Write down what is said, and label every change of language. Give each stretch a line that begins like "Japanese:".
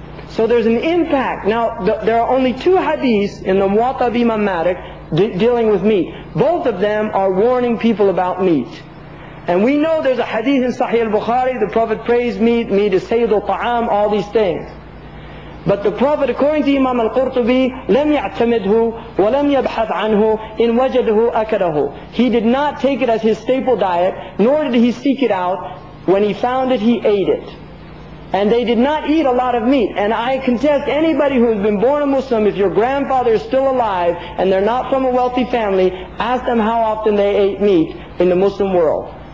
English: So there's an impact. Now there are only two hadiths in the Muwatta of Imam Malik dealing with meat. Both of them are warning people about meat. And we know there's a hadith in Sahih al-Bukhari, the Prophet praised meat, meat is Sayyidul Ta'am, all these things. But the Prophet, according to Imam al-Qurtubi,
Arabic: لم يعتمده ولم يبحث عنه إن وجده أكله.
English: He did not take it as his staple diet, nor did he seek it out. When he found it, he ate it. And they did not eat a lot of meat. And I contest anybody who has been born a Muslim, if your grandfather is still alive and they're not from a wealthy family, ask them how often they ate meat in the Muslim world.